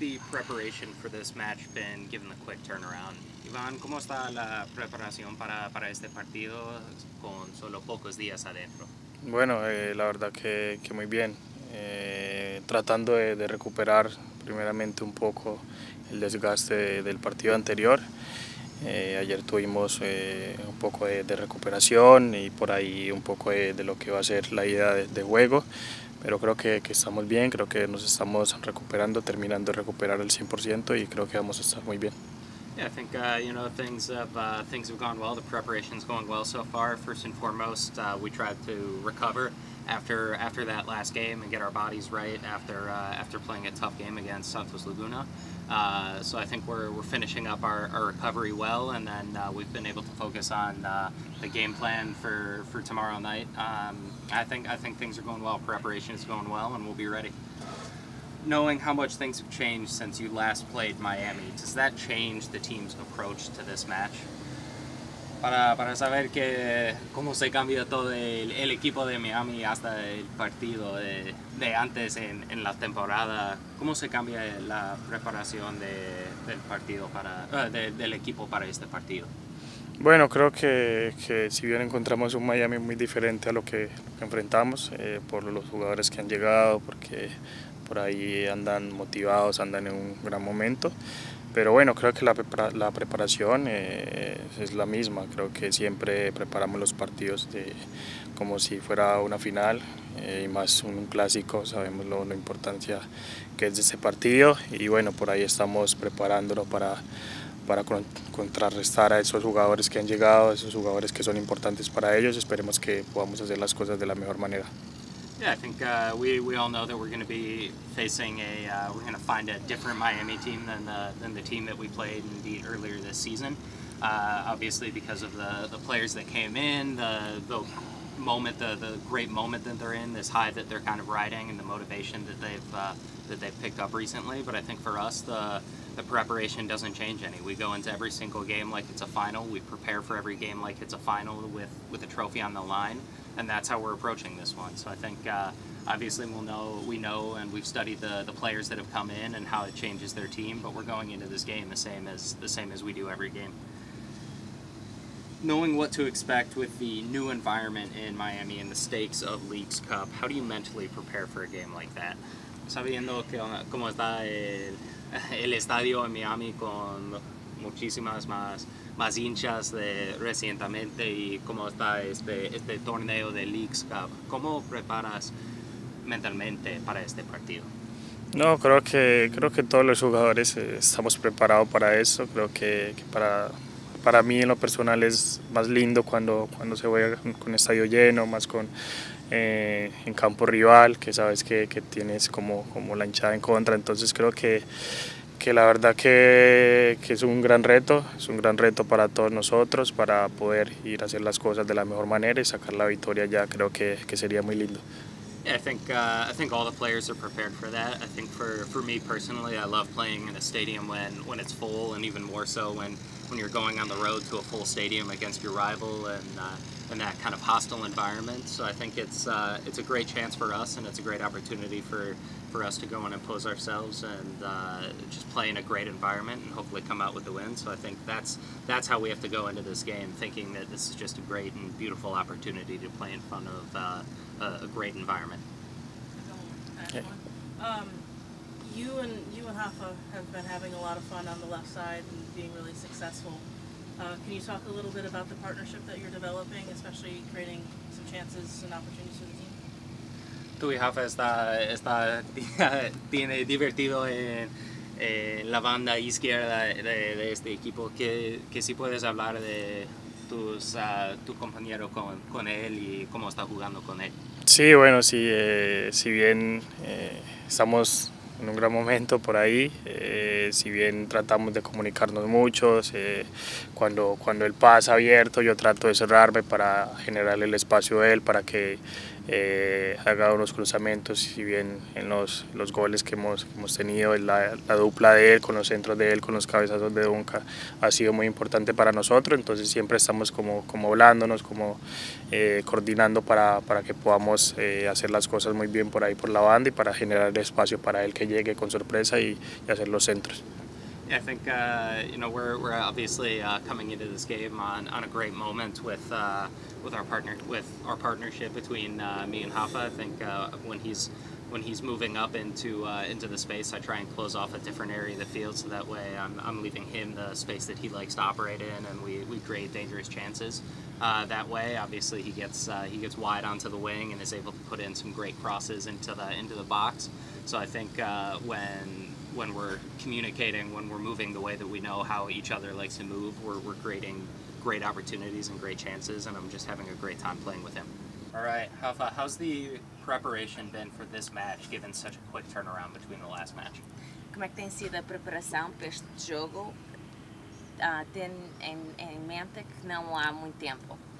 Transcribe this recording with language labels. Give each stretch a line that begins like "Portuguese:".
English: Preparation for this match been given the quick turnaround.
Spanish: Iván, ¿cómo está la preparación para este partido con solo pocos días adentro? Bueno, la verdad que muy bien. Tratando de recuperar primeramente un poco el desgaste del partido anterior. Ayer tuvimos un poco de recuperación y por ahí un poco de lo que va a ser la idea de juego. Pero creo que estamos bien, creo que nos estamos recuperando, terminando de recuperar el 100% y creo que vamos a estar muy bien.
English: Yeah, I think you know, things have gone well, the preparation's going well so far. First and foremost, we tried to recover after that last game and get our bodies right after playing a tough game against Santos Laguna. So I think we're finishing up our recovery well, and then we've been able to focus on the game plan for tomorrow night. I think things are going well, preparation is going well, and we'll be ready. Knowing how much things have changed since you last played Miami, does that change the team's approach to this match?
Spanish: Para saber que cómo se cambia todo el equipo de Miami hasta el partido de antes en la temporada, cómo se cambia la preparación del partido del equipo para este partido. Bueno, creo que si bien encontramos un Miami muy diferente a lo que enfrentamos, por los jugadores que han llegado, porque por ahí andan motivados, andan en un gran momento. Pero bueno, creo que la preparación es la misma. Creo que siempre preparamos los partidos como si fuera una final y más un clásico. Sabemos la importancia que es de ese partido y bueno, por ahí estamos preparándolo para contrarrestar a esos jugadores que han llegado, esos jugadores que son importantes para ellos. Esperemos que podamos hacer las cosas de la mejor manera.
English: Yeah, I think we all know that we're going to be facing we're going to find a different Miami team than the team that we played indeed earlier this season. Obviously, because of the players that came in, the great moment that they're in, this high that they're kind of riding, and the motivation that they've picked up recently. But I think for us, the preparation doesn't change any. We go into every single game like it's a final. We prepare for every game like it's a final with a trophy on the line. And that's how we're approaching this one. So I think obviously we know and we've studied the players that have come in and how it changes their team, but we're going into this game the same as we do every game. Knowing what to expect with the new environment in Miami and the stakes of Leagues Cup, how do you mentally prepare for a game like that?
Spanish: Sabiendo cómo está el estadio en Miami con muchísimas más hinchas de recientemente y cómo está este torneo de Leagues Cup. ¿Cómo preparas mentalmente para este partido? No, creo que todos los jugadores estamos preparados para eso. Creo que para mí en lo personal es más lindo cuando se juega con estadio lleno, más con en campo rival, que sabes que tienes como la hinchada en contra. Entonces creo que la verdad que es un gran reto para todos nosotros, para poder ir a hacer las cosas de la mejor manera y sacar la victoria ya. Creo que sería muy lindo.
English: Yeah, I think all the players are prepared for that. I think for me personally, I love playing in a stadium when it's full, and even more so when you're going on the road to a full stadium against your rival and that kind of hostile environment. So I think it's a great chance for us, and it's a great opportunity for us to go and impose ourselves and just play in a great environment and hopefully come out with the win. So I think that's how we have to go into this game, thinking that this is just a great and beautiful opportunity to play in front of a great environment. Yeah. You and Hafa have been having a lot of fun on the left side and being really successful. Can you talk a little bit about the partnership that you're developing, especially creating some chances and opportunities for the team?
Spanish: Tú y Hafa está tiene divertido en la banda izquierda de este equipo. Que si puedes hablar de tu compañero con él y cómo está jugando con él. Sí, bueno, sí, si bien estamos en un gran momento por ahí, si bien tratamos de comunicarnos mucho, cuando él pasa abierto, yo trato de cerrarme para generar el espacio a él, para que haga unos cruzamientos. Si bien en los goles que hemos tenido, la dupla de él con los centros de él, con los cabezazos de Duncan, ha sido muy importante para nosotros. Entonces siempre estamos como hablándonos, coordinando para que podamos hacer las cosas muy bien por ahí por la banda y para generar el espacio para él que llegue con sorpresa y hacer los centros.
English: Yeah, I think we're obviously coming into this game on a great moment with our partnership between me and Hafa. I think when he's moving up into the space, I try and close off a different area of the field, so that way I'm leaving him the space that he likes to operate in, and we create dangerous chances. That way, obviously, he gets wide onto the wing and is able to put in some great crosses into the box. So I think when we're communicating, when we're moving the way that we know how each other likes to move, we're creating great opportunities and great chances, and I'm just having a great time playing with him. All right, Hafa, how's the preparation been for this match, given such a quick turnaround between the last match?
Portuguese: Como é que tem sido a preparação para este jogo? Tem em mente que não há muito tempo.